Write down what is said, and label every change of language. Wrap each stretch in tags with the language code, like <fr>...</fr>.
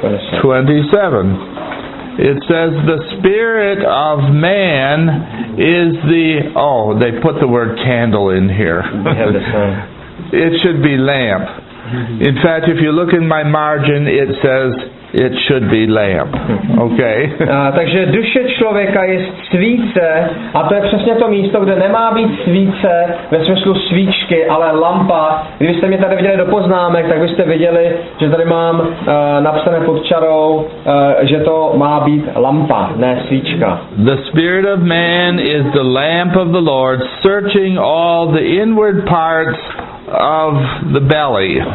<en>Verse 27. It says, the spirit of man is the... Oh, they put the word candle in here. It should be lamp. In fact, if you look in my margin, it says it should be lamp. Okay.</en> <cs>Takže duše člověka je svíce, a to je přesně to místo, kde nemá být svíce ve smyslu svíčky, ale lampa. Kdybyste mě tady viděli do poznámek, tak byste viděli, že tady mám napsané pod čarou, že to má být lampa, ne svíčka.</cs> <en>The spirit of man is the lamp of the Lord, searching all the inward parts of the belly.</en>